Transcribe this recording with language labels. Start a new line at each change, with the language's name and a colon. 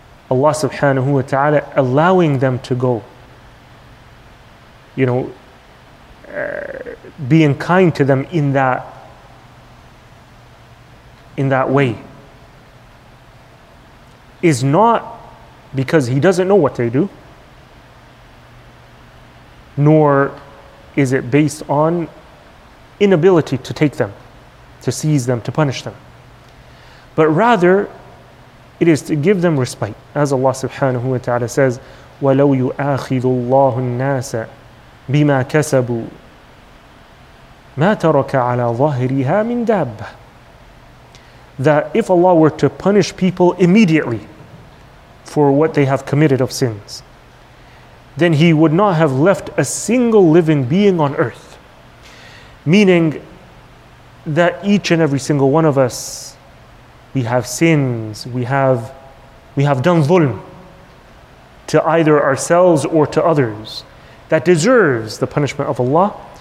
English: Allah subhanahu wa ta'ala allowing them to go, you know, being kind to them in that way is not because He doesn't know what they do, nor is it based on inability to take them, to seize them, to punish them. But rather, it is to give them respite. As Allah subhanahu wa ta'ala says,
Arabic: وَلَوْ يُؤَاخِذُ اللَّهُ النَّاسَ بِمَا كَسَبُوا مَا تَرَكَ عَلَى ظَهْرِهَا مِنْ دَابَّةٍ.
English: That if Allah were to punish people immediately for what they have committed of sins, then He would not have left a single living being on earth. Meaning that each and every single one of us, we have sins, we have done zulm to either ourselves or to others that deserves the punishment of Allah.